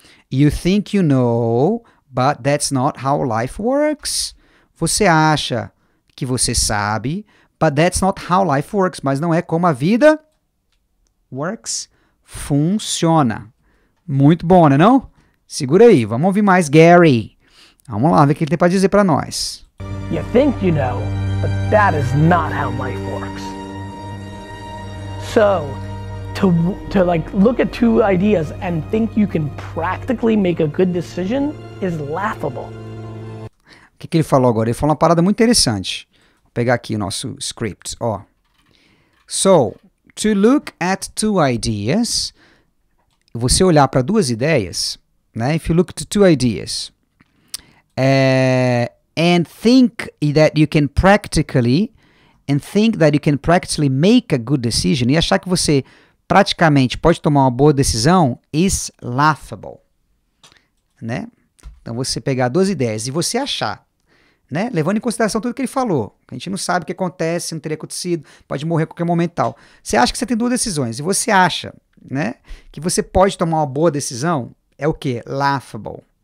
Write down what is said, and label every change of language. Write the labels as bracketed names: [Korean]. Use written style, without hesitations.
[English] You think you know, but that's not how life works. [Portuguese] Você acha que você sabe, [English] but that's not how life works. [Portuguese] Mas não é como a vida works, funciona. Muito bom, né não? Segura aí, vamos ouvir mais Gary. Vamos lá ver o que ele tem para dizer para nós. [English] You think you know, but that is not how life works. So, to like look at two ideas and think you can practically make a good decision is laughable. [Portuguese] O que, que ele falou agora? Ele falou uma parada muito interessante. Vou pegar aqui o nosso script, ó. So, [English] To look at two ideas. [Portuguese] Você olhar para duas ideias, né? [English] If you look at two ideas. And think that you can practically... And think that you can practically make a good decision. [Portuguese] E achar que você praticamente pode tomar uma boa decisão [English] is laughable. [Portuguese] Né? Então, você pegar duas ideias e você achar, né? Levando em consideração tudo que ele falou. A gente não sabe o que acontece, não teria acontecido, pode morrer a qualquer momento e tal. Você acha que você tem duas decisões e você acha, né, que você pode tomar uma boa decisão, é o quê? Laughable.